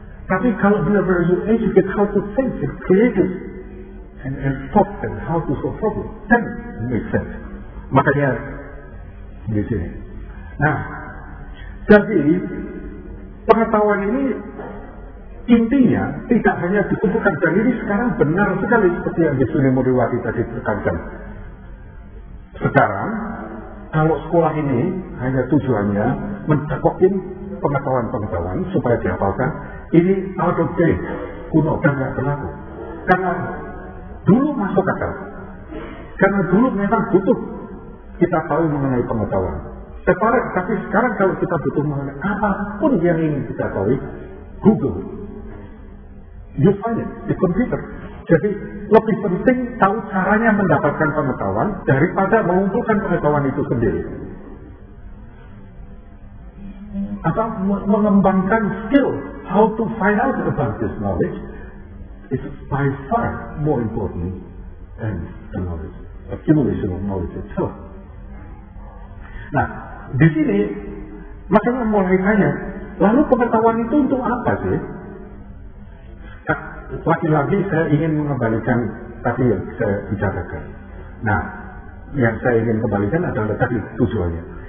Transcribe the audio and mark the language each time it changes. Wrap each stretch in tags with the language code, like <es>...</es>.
<id>Tapi kalau benar-benar</id> <en>you educate how to think and create it, and talk and how to solve problems, then it makes sense.</en> <id>Makanya di sini. Nah, jadi pengetahuan ini intinya tidak hanya dikumpulkan. Dan ini sekarang benar sekali seperti yang Yesune Moriwati tadi tekankan. Sekarang, kalau sekolah ini hanya tujuannya mencakokin pengetahuan-pengetahuan supaya dihafalkan, ini</id> <en>out of date,</en> <id>kuno, dan tidak berlaku. Karena dulu masuk akal. Karena dulu memang butuh kita tahu mengenai pengetahuan. Tapi sekarang kalau kita butuh mengenai apapun yang ingin kita tahu, Google.</id> <en>You find it, the computer.</en> <id>Jadi lebih penting tahu caranya mendapatkan pengetahuan daripada mengumpulkan pengetahuan itu sendiri. Atau mengembangkan skill,</id> <en>how to find out about this knowledge is by far more important than the knowledge, accumulation of knowledge itself.</en> <id>Nah, di sini makanya mulai tanya, lalu pengetahuan itu untuk apa sih? Lagi-lagi saya ingin mengembalikan tadi yang saya bicarakan. Nah, yang saya ingin kembalikan adalah tadi tujuannya.</id>